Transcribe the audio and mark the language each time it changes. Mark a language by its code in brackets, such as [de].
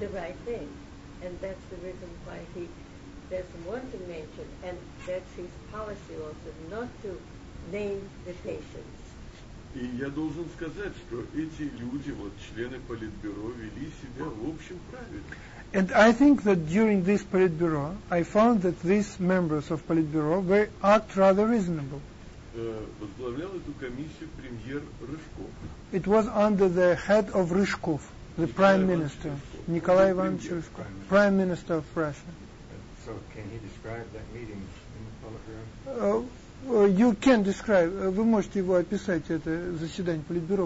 [en] The right thing, and that's the reason why he. Doesn't want to mention, and that's his policy also, not to name the patients. [ru] И я должен сказать, что эти люди, вот члены Политбюро, вели себя в общем правильно. [en] And I think that during this Politburo, I found that these members of Politburo were act rather reasonable. [ru] Возглавлял эту комиссию премьер Рыжков. [en] It was under the head of Рыжков, the Prime Minister, Николай Иванович Рыжков, Prime Minister of Russia. So can he describe that meeting in the Politburo? You can describe. [ru] Вы можете его описать это заседание Политбюро.